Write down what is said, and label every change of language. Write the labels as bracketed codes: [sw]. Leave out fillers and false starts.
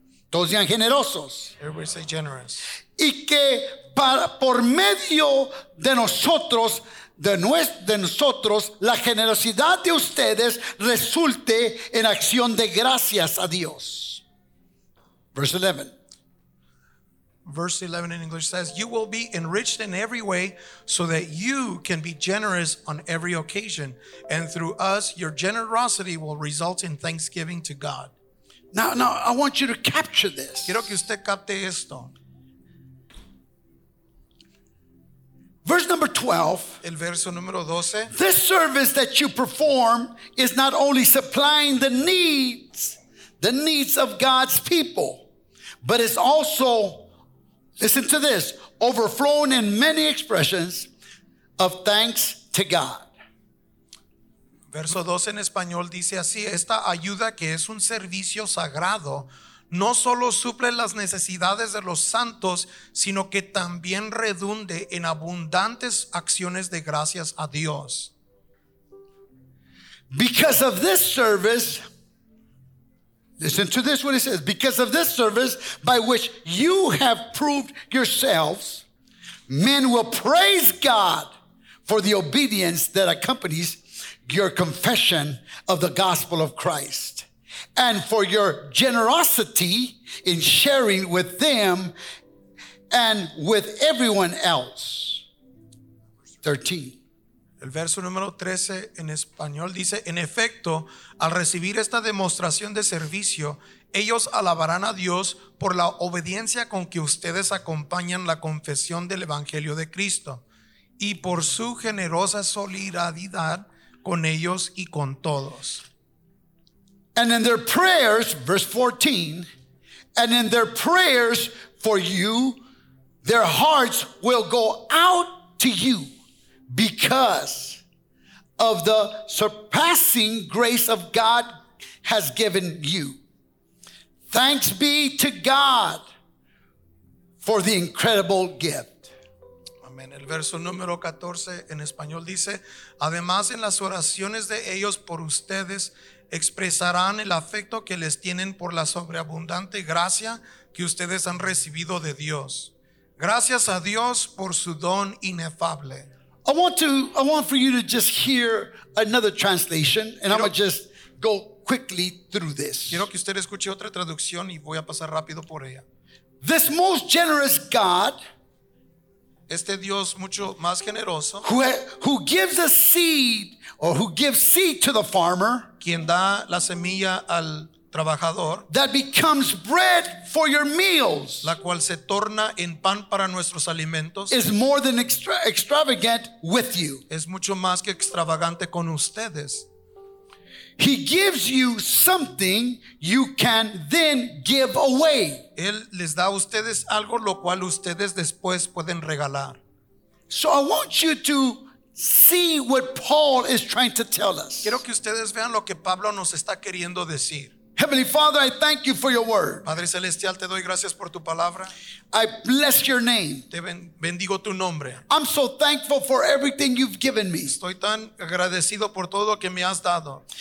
[es] Todos sean generosos. [en] Everybody say generous. [es] Y que por medio de nosotros, de nosotros, la generosidad de ustedes resulte en acción de gracias a Dios. [en] Verse 11. Verse 11 in English says, you will be enriched in every way so that you can be generous on every occasion. And through us, your generosity will result in thanksgiving to God. Now I want you to capture this. [es] Quiero que usted capte esto. [en] Verse number 12. [es] El verso número 12. [en] This service that you perform is not only supplying the needs of God's people, but it's also, listen to this, overflowing in many expressions of thanks to God. [es] Verso 12 en español dice así: esta ayuda, que es un servicio sagrado, no solo suple las necesidades de los santos, sino que también redunde en abundantes acciones de gracias a Dios. [en] Because of this service, listen to this, what it says, because of this service by which you have proved yourselves, men will praise God for the obedience that accompanies your confession of the gospel of Christ, and for your generosity in sharing with them and with everyone else. 13. [es] El El verso número 13 en español dice: En efecto, al recibir esta demostración de servicio, ellos alabarán a Dios por la obediencia con que ustedes acompañan la confesión del Evangelio de Cristo y por su generosa solidaridad con ellos y con todos. [en] And in their prayers, verse 14, and in their prayers for you, their hearts will go out to you because of the surpassing grace of God has given you. Thanks be to God for the incredible gift. [es] Amén. El verso número 14 en español dice: Además, en las oraciones de ellos por ustedes, expresarán el afecto que les tienen por la sobreabundante gracia que ustedes han recibido de Dios. Gracias a Dios por su don inefable. [en] I want for you to just hear another translation, and I'm going to just go quickly through this. [es] Quiero que usted escuche otra traducción y voy a pasar rápido por ella. [en] This most generous God, [es] este Dios mucho más generoso, [en] who gives a seed or who gives seed to the farmer, [es] quien da la semilla al trabajador, [en] that becomes bread for your meals, [es] la cual se torna en pan para nuestros alimentos, [en] is more than extravagant with you. [es] Es mucho más que extravagante con ustedes. [en] He gives you something you can then give away. [es] Él les da a ustedes algo lo cual ustedes después pueden regalar. [en] So I want you to see what Paul is trying to tell us. [es] Quiero que ustedes vean lo que Pablo nos está queriendo decir. [en] Heavenly Father, I thank you for your word. [es] Padre celestial, te doy gracias por tu palabra. [en] I bless your name. [es] Te bendigo tu nombre. [en] I'm so thankful for everything you've given me. [es] Estoy tan agradecido por todo lo que me has dado.